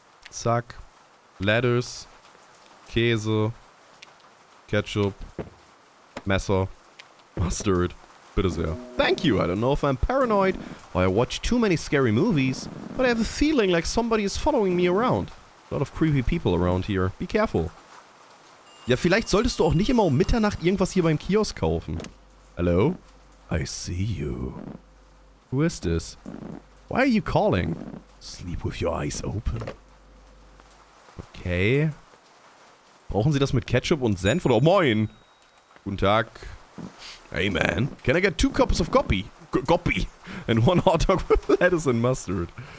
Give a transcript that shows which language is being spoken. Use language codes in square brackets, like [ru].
[de] Zack. Lettuce, Käse, Ketchup, Messer, Mustard. Bitte sehr. [en] Thank you. I don't know if I'm paranoid or I watch too many scary movies, but I have a feeling like somebody is following me around. A lot of creepy people around here. Be careful. [de] Ja, vielleicht solltest du auch nicht immer um Mitternacht irgendwas hier beim Kiosk kaufen. [en] Hello? I see you. Who is this? Why are you calling? Sleep with your eyes open. Okay. [de] Brauchen Sie das mit Ketchup und Senf oder... Oh, moin! Guten Tag. [en] Hey, man. Can I get two cups of coffee? Coffee. And one hot dog with lettuce and mustard.